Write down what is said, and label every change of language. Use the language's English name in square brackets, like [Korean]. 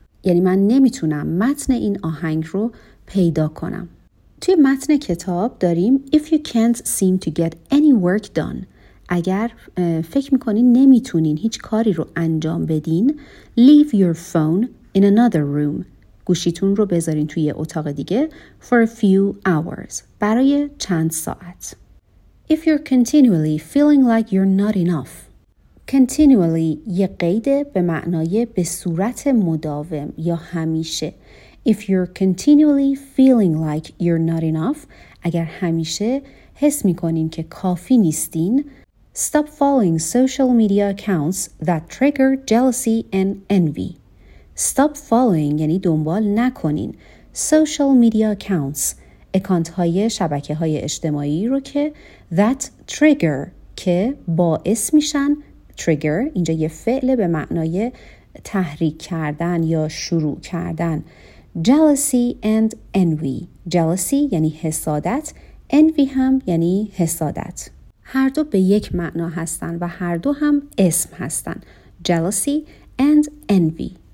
[Persian] یعنی من نمیتونم متن این آهنگ رو پیدا کنم. توی متن کتاب داریم [English] If you can't seem to get any work done. [Persian] اگر فکر میکنین نمیتونین هیچ کاری رو انجام بدین [English] Leave your phone in another room. [Persian] گوشیتون رو بذارین توی اتاق دیگه [English] For a few hours. [Persian] برای چند ساعت. [English] If you're continually feeling like you're not enough. [Persian] Continually یه قید به معنای به صورت مداوم یا همیشه. [English] If you're continually feeling like you're not enough, [Persian] اگر همیشه حس میکنین که کافی نیستین, [English] stop following social media accounts that trigger jealousy and envy. Stop following [Persian] یعنی دنبال نکنین [English] social media accounts, [Persian] اکانت های شبکه های اجتماعی رو که [English] that trigger [Persian] که باعث میشن trigger اینجا یه فعل به معنای تحریک کردن یا شروع کردن [English] jealousy and envy [Persian] jealousy یعنی حسادت envy هم یعنی حسادت هر دو به یک معنا هستن و هر دو هم اسم هستن jealousy and envy